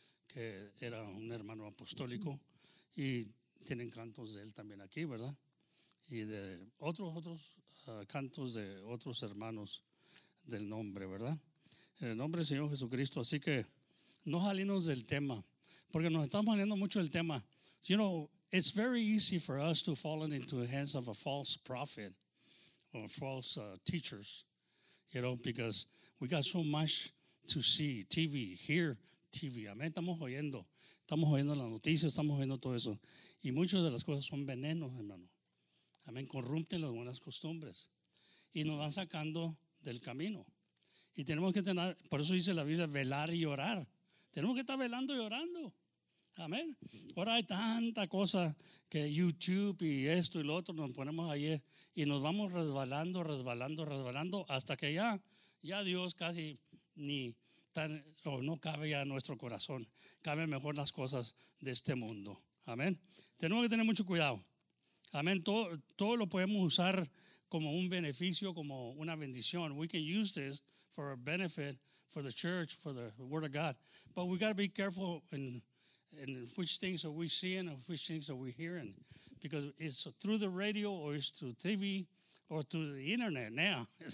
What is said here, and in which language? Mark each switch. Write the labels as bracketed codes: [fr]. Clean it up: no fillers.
[es] Que era un hermano apostólico y tienen cantos de él también aquí, ¿verdad? Y de otros cantos de otros hermanos del nombre, ¿verdad? En el nombre del Señor Jesucristo. Así que no salimos del tema, porque nos estamos saliendo mucho del tema. [en] You know, it's very easy for us to fall into the hands of a false prophet or false teachers. You know, because we got so much to see, TV, hear TV. [es] Amén, estamos oyendo las noticias, estamos oyendo todo eso. Y muchas de las cosas son venenos, hermano. Amén, corrompen las buenas costumbres. Y nos van sacando del camino. Y tenemos que tener, por eso dice la Biblia, velar y orar. Tenemos que estar velando y orando. Amén. Ahora hay tanta cosa que YouTube y esto y lo otro nos ponemos ahí y nos vamos resbalando, resbalando, resbalando hasta que ya Dios casi ni tan o no cabe ya en nuestro corazón. Caben mejor las cosas de este mundo. Amén. Tenemos que tener mucho cuidado. Amén. Todo lo podemos usar como un beneficio, como una bendición. [en] We can use this for a benefit for the church, for the word of God. But we got to be careful in which things are we seeing and which things are we hearing. Because it's through the radio or it's through TV or through the internet now.